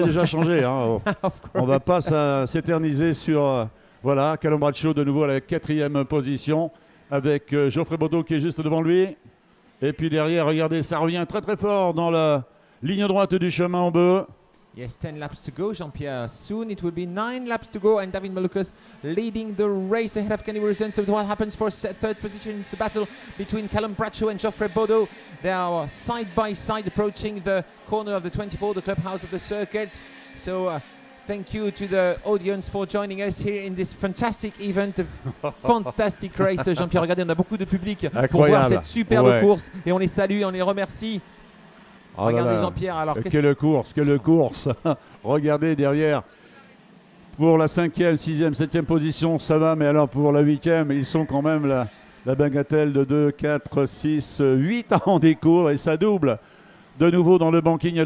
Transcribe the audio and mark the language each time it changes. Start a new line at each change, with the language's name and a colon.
French: C'est déjà changé. Hein. On ne va pas s'éterniser sur... Voilà, Callum Bradshaw de nouveau à la quatrième position. Avec Geoffrey Bodo qui est juste devant lui. Et puis derrière, regardez, ça revient très très fort dans la ligne droite du chemin en bœuf.
English: Yes, 10 laps to go, Jean-Pierre. Soon it will be 9 laps to go, and David Malukas leading the race ahead of Kenny Wilson. So what happens for third position? It's the battle between Callum Bradshaw and Geoffrey Bodeau. They are side by side approaching the corner of the 24, the clubhouse of the circuit. So thank you to the audience for joining us here in this fantastic event, fantastic race, Jean-Pierre.
French: Regardez, on a beaucoup de public incroyable pour voir cette superbe ouais course, et on les salue, on les remercie. Oh regardez là Jean-Pierre, alors quelle course. Regardez derrière pour la 5e, 6e, 7e position, ça va, mais alors pour la 8e, ils sont quand même la bagatelle de 2, 4, 6, 8 en décours et ça double de nouveau dans le banking.